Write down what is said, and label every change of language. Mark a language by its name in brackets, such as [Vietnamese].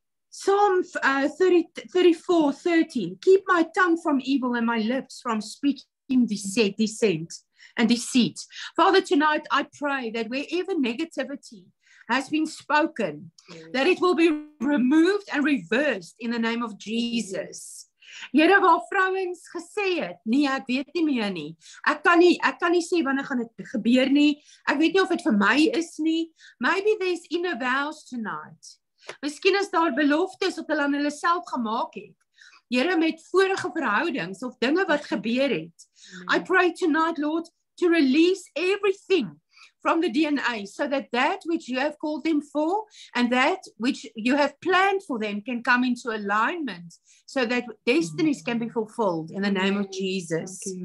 [English] Psalm 34:13, keep my tongue from evil and my lips from speaking dissent and deceit. Father, tonight I pray that wherever negativity has been spoken, that it will be removed and reversed in the name of Jesus. [Afrikaans] Here waar vrouens gesê het, nee, ek weet nie meer nie. Ek kan nie sê wanneer gaan dit gebeur nie. Ek weet nie of dit vir my is nie. [English] Maybe there's inner vows tonight. [Afrikaans] Miskien is daar beloftes wat hulle aan hulle self gemaak het. Here, met vorige verhoudings of dinge wat gebeur het. [English] I pray tonight, Lord, to release everything from the DNA so that that which you have called them for and that which you have planned for them can come into alignment so that destinies can be fulfilled in the name of Jesus.